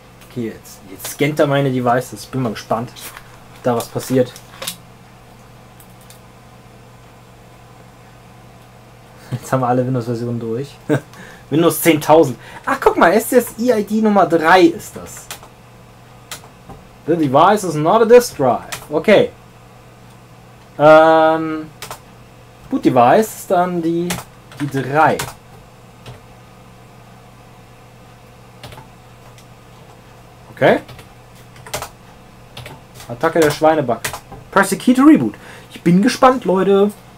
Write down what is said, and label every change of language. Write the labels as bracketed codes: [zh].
[de] Okay, jetzt scannt er meine Devices. Ich bin mal gespannt, ob da was passiert. Jetzt haben wir alle Windows-Versionen durch. Windows 10.000. Ach, guck mal, SSI ID Nummer 3 ist das. [en] The device is not a disk drive. Okay. [de] Boot device ist dann die 3. Okay. Attacke der Schweinebug. [en] Press the key to reboot. [de] Ich bin gespannt, Leute.